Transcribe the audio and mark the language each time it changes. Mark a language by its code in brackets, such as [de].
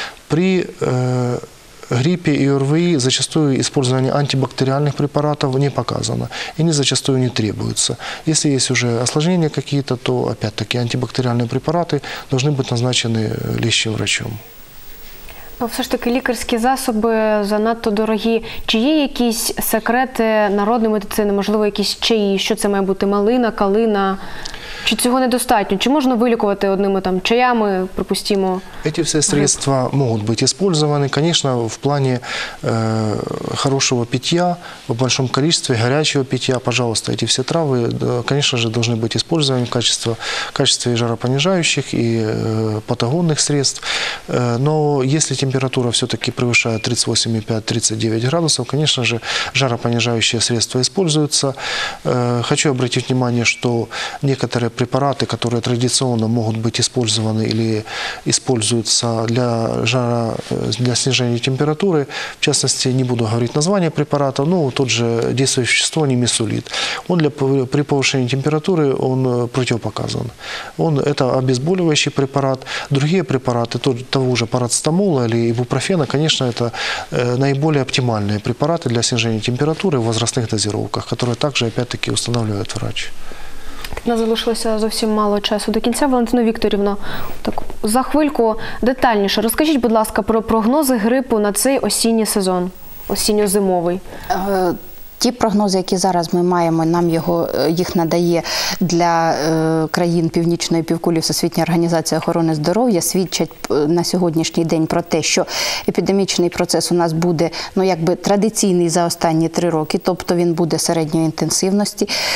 [ru] При гриппе и ОРВИ зачастую использование антибактериальных препаратов не показано. И они зачастую не требуются. Если есть уже осложнения какие-то, то опять-таки антибактериальные препараты должны быть назначены лечащим врачом. [uk] Все ж таки, лікарські засоби занадто дорогі. Чи є якісь секрети народної медицини, можливо, якісь чаї? Що це має бути? Малина, калина? Чи цього недостатньо? Чи можна вилікувати одними там чаями, припустимо? Ці всі средства можуть бути використані. Звісно, в плані хорошого пиття, в великому кількості гарячого пиття, пожалуйста, ці всі трави, звісно, повинні бути використані в качестві жаропоніжаючих і патогонних средств. Але якщо температура все-таки [ru] превышает 38,5-39 градусов, конечно же, жаропонижающие средства используются. Хочу обратить внимание, что некоторые препараты, которые традиционно могут быть использованы или используются для снижения температуры, в частности, не буду говорить название препарата, но тот же действующее вещество немесулит. Он при повышении температуры он противопоказан. Это обезболивающий препарат. Другие препараты, того же парацетамола или ибупрофена, конечно, это наиболее оптимальные препараты для снижения температуры в возрастных дозировках, которые также, опять-таки, устанавливает врач. [uk] Нас залишилося зовсім мало часу до кінця. Валентино Вікторівно, так, за хвильку детальніше. Розкажіть, будь ласка, про прогнози грипу на цей осінній сезон, осінньо-зимовий. ті прогнози, які зараз ми маємо, нам його, їх надає для країн Північної півкулі Всесвітня організація охорони здоров'я, свідчать на сьогоднішній день про те, що епідемічний процес у нас буде, ну, якби традиційний за останні 3 роки, тобто він буде середньої інтенсивності.